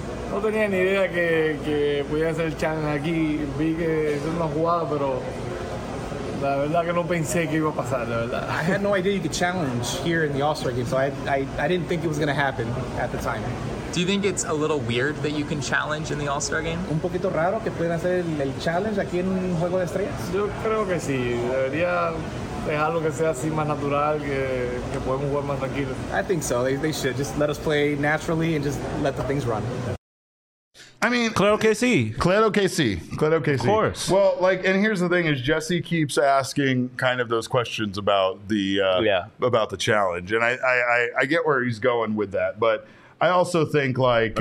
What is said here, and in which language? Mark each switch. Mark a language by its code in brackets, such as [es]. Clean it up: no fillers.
[es] No tenía ni idea que pudiera ser challenge aquí. Vi que es una jugada, pero la verdad que no pensé que iba a pasar, la verdad. [en] I had no idea you could challenge here in the All-Star game, so I didn't think it was going to happen at the time. Do you think it's a little weird that you can challenge in the All-Star game? [es] Un poquito raro que pueden hacer el challenge aquí en un juego de estrellas. Yo creo que sí. Debería dejarlo que sea así más natural, que podemos jugar más tranquilo. [en] I think so. They should just let us play naturally and just let the things run. I mean, [es] Claro que sí. [en] Of course. Well, like, and here's the thing: is Jesse keeps asking kind of those questions about the about the challenge, and I get where he's going with that, but I also think, like,